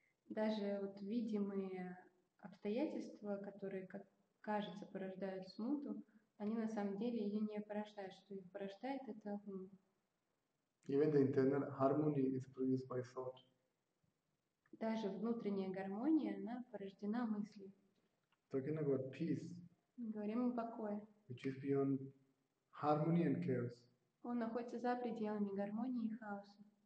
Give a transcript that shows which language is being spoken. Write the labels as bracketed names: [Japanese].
[Russian] Даже вот видимые обстоятельства, которые, как кажется, порождают смуту, они на самом деле ее не порождают. Что их порождает, это ум. [English] Even the internal harmony is produced by thought. [Russian] Даже внутренняя гармония, она порождена мыслью. [English] Talking about peace. [Russian] Говорим о покое. [English] Which is beyond harmony and chaos. [Russian] Он находится за пределами гармонии и хаоса.